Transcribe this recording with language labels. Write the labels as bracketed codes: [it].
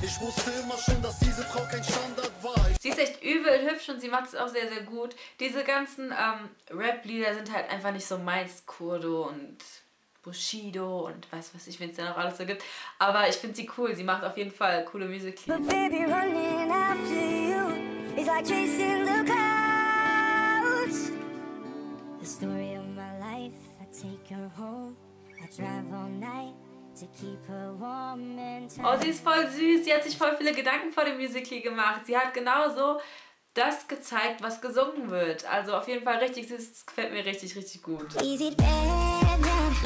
[de] Ich wusste immer schon, dass diese Frau kein Standard war. Sie ist echt übel hübsch und sie macht es auch sehr, sehr gut. Diese ganzen Rap-Lieder sind halt einfach nicht so meins, Kurdo und Bushido und was weiß ich, wenn es da noch alles so gibt. Aber ich finde sie cool. Sie macht auf jeden Fall coole Musical.ly. [en] But baby, running after you is like chasing the clouds. The story of my life, I take her home. I drive all night to keep her warm and tight. [de] Oh, sie ist voll süß. Sie hat sich voll viele Gedanken vor dem Musical.ly gemacht. Sie hat genauso das gezeigt, was gesungen wird. Also auf jeden Fall richtig süß. Das gefällt mir richtig, richtig gut. [en] Is it bad, bad?